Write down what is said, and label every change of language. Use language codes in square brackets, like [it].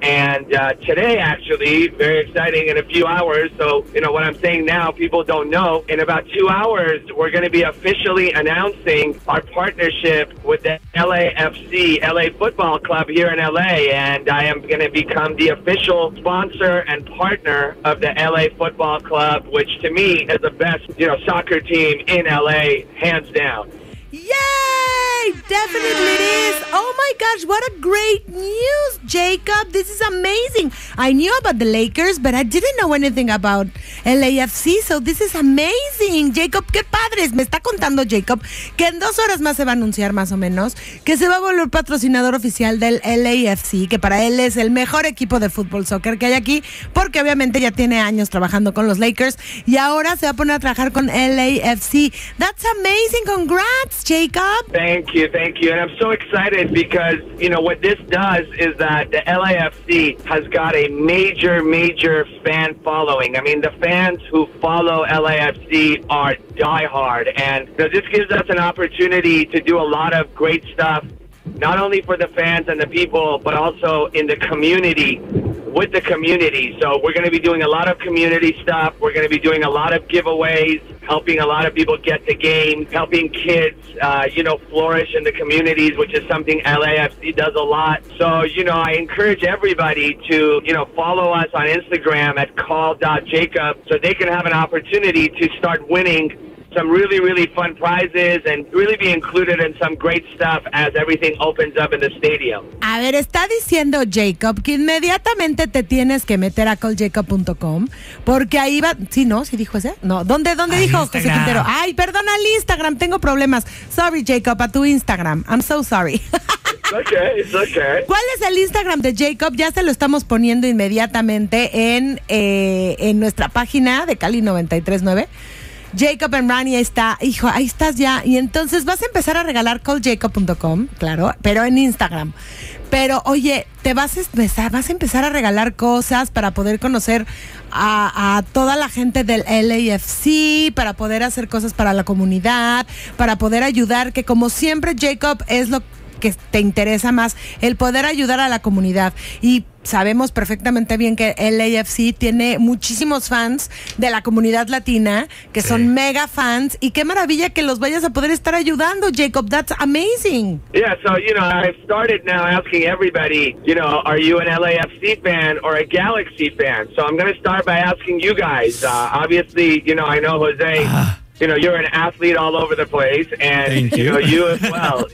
[en] And today, actually, very exciting, in a few hours, so, you know, what I'm saying now, people don't know, in about 2 hours, we're going to be officially announcing our partnership with the LAFC, LA Football Club here in LA, and I am going to become the official sponsor and partner of the LA Football Club, which to me is the best, you know, soccer team in LA, hands down. Yay! Definitely it is. Oh my gosh, what a great news, Jacob. This is amazing. I knew about the Lakers, but I didn't know anything about LAFC, so this is amazing. [es] Jacob, qué padres. Me está contando Jacob que en 2 horas más se va a anunciar, más o menos, que se va a volver patrocinador oficial del LAFC, que para él es el mejor equipo de fútbol soccer que hay aquí, porque obviamente ya tiene años trabajando con los Lakers y ahora se va a poner a trabajar con LAFC. [en] That's amazing. Congrats, Jacob. Thank you. And I'm so excited because, you know, what this does is that the LAFC has got a major, major fan following. I mean, the fans who follow LAFC are diehard. And so this gives us an opportunity to do a lot of great stuff, not only for the fans and the people, but also in the community, with the community. So we're going to be doing a lot of community stuff. We're going to be doing a lot of giveaways, helping a lot of people get to games, helping kids, you know, flourish in the communities, which is something LAFC does a lot. So, you know, I encourage everybody to, you know, follow us on Instagram at call.jacob so they can have an opportunity to start winning some really, really fun prizes and really be included in some great stuff as everything opens up in the stadium. [es] A ver, está diciendo Jacob que inmediatamente te tienes que meter a calljacob.com porque ahí va. Sí, no, sí dijo ese. No, ¿dónde dijo [en] Instagram. [es] José Quintero? Ay, perdona, al Instagram, tengo problemas. Sorry, Jacob, a tu Instagram. [en] I'm so sorry. It's okay. [es] ¿Cuál es el Instagram de Jacob? Ya se lo estamos poniendo inmediatamente en nuestra página de Cali 93.9. Jacob and Ronnie, ahí está. Hijo, ahí estás ya. Y entonces vas a empezar a regalar calljacob.com, claro, pero en Instagram. Pero, oye, te vas a empezar a regalar cosas para poder conocer a toda la gente del LAFC, para poder hacer cosas para la comunidad, para poder ayudar, que como siempre, Jacob, es lo que te interesa más, el poder ayudar a la comunidad. Y sabemos perfectamente bien que LAFC tiene muchísimos fans de la comunidad latina, que son mega fans, y qué maravilla que los vayas a poder estar ayudando, Jacob. [en] That's amazing. Yeah, so, you know, I've started now asking everybody, you know, are you an LAFC fan or a Galaxy fan? So I'm going to start by asking you guys. Obviously, you know, I know Jose. You know, you're an athlete all over the place, and Thank you as well.